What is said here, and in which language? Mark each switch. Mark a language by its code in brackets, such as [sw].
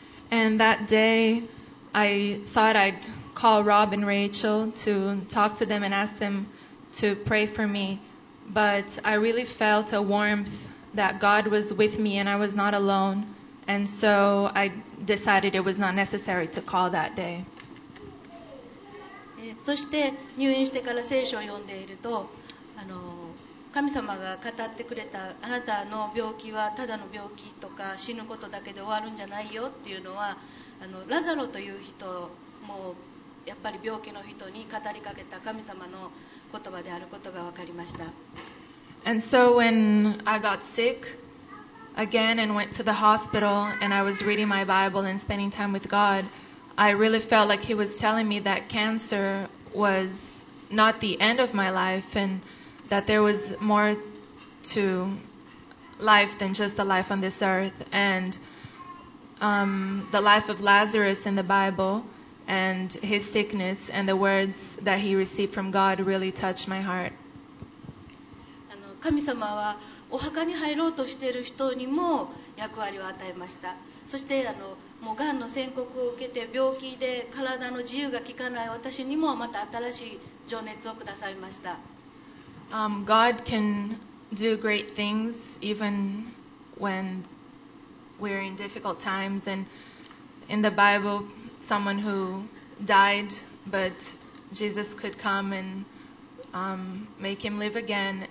[en] And that day I thought I'd call Rob and Rachel to talk to them and ask them to pray for me, but I really felt a warmth that God was with me and I was not alone, and so I decided it was not necessary to call that day. [ja] そして入院してから聖書を読んでいると、神様が語ってくれたあなたの病気はただの病気とか死ぬことだけで終わるんじゃないよっていうのは、ラザロという人もやっぱり病気の人に語りかけた神様の言葉であることが分かりました。 [en] And so when I got sick again and went to the hospital and I was reading my Bible and spending time with God, I really felt like he was telling me that cancer was not the end of my life andthat there was more to life than just the life on this earth, and the life of Lazarus in the Bible, and his sickness and the words that he received from God really touched my heart. [ja] 神様はお墓に入ろうとしている人にも役割を与えました。そしてもうがんの宣告を受けて病気で体の自由が利かない私にもまた新しい情熱をくださいました。 [en] God can do great things even when we're in difficult times. And in the Bible, someone who died, but Jesus could come and make him live again.